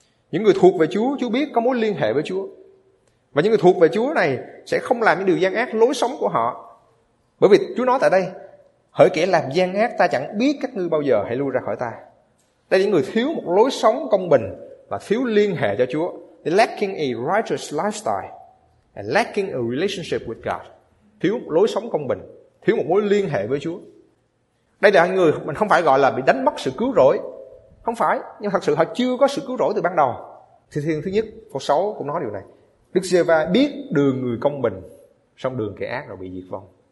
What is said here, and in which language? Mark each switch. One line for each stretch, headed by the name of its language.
Vietnamese: Những người thuộc về Chúa, Chúa biết có mối liên hệ với Chúa. Và những người thuộc về Chúa này sẽ không làm những điều gian ác lối sống của họ. Bởi vì Chúa nói tại đây, hỡi kẻ làm gian ác, ta chẳng biết các ngươi bao giờ, hãy lui ra khỏi ta. Đây là những người thiếu một lối sống công bình và thiếu liên hệ cho Chúa.
English: They're lacking a righteous lifestyle and lacking a relationship with God.
Vietnamese: Thiếu một lối sống công bình, thiếu một mối liên hệ với Chúa. Đây là người mình không phải gọi là bị đánh mất sự cứu rỗi. Không phải, nhưng thật sự họ chưa có sự cứu rỗi từ ban đầu. Thi Thiên thứ nhất, câu 6 cũng nói điều này. Đức Giê-va biết đường người công bình, song đường kẻ ác là bị diệt vong.